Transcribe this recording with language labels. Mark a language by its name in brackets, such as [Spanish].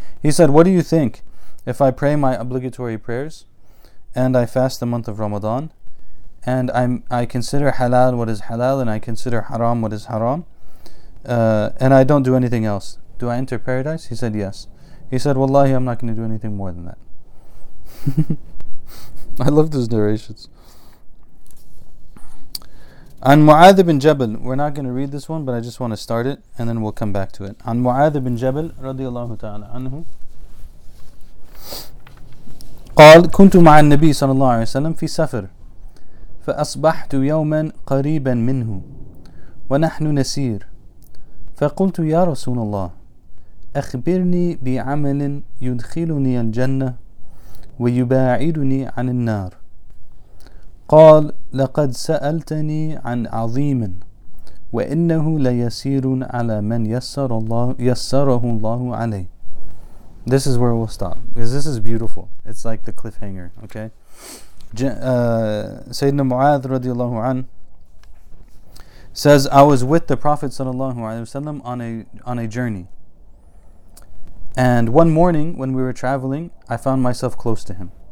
[English] He said, what do you think if I pray my obligatory prayers and I fast the month of Ramadan and I consider halal what is halal, and I consider haram what is haram, and I don't do anything else. Do I enter paradise? He said, yes. He said, wallahi, I'm not going to do anything more than that. I love those narrations. An Mu'adh ibn Jabal, we're not going to read this one, but I just want to start it, and then we'll come back to it. [Arabic] An Mu'adh ibn Jabal, radiallahu ta'ala anhu, قال كنت مع النبي صلى الله عليه وسلم في سفر فأصبحت يوما قريبا منه ونحن نسير فقلت يا رسول الله أخبرني بعمل يدخلني الجنة ويباعدني عن النار. قال لقد سألتني عن عظيم وإنه ليسير على من يسر الله يسره الله عليه. [English] This is where we'll stop, because this is beautiful. It's like the cliffhanger, okay? Sayyidina Mu'adh radiallahu an says, I was with the Prophet sallallahu alayhi wa sallam on a journey. And one morning when we were traveling, I found myself close to him.